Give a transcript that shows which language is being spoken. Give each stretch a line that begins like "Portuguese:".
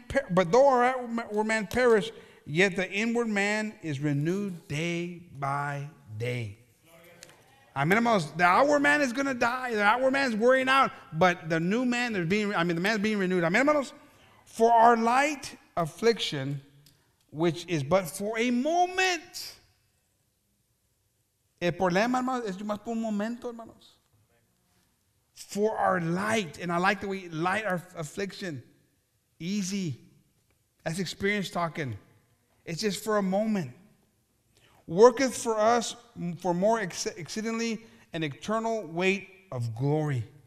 English: But though our outward man perish, yet the inward man is renewed day by day. The outward man is going to die. The outward man is wearing out. But the new man is the man is being renewed. For our light affliction, which is but for a moment.
Spanish: El problema, hermanos, es más por un momento, hermanos.
English: For our light, and I like the way light our affliction, easy. That's experience talking. It's just for a moment. Worketh for us for more exceedingly an eternal weight of glory.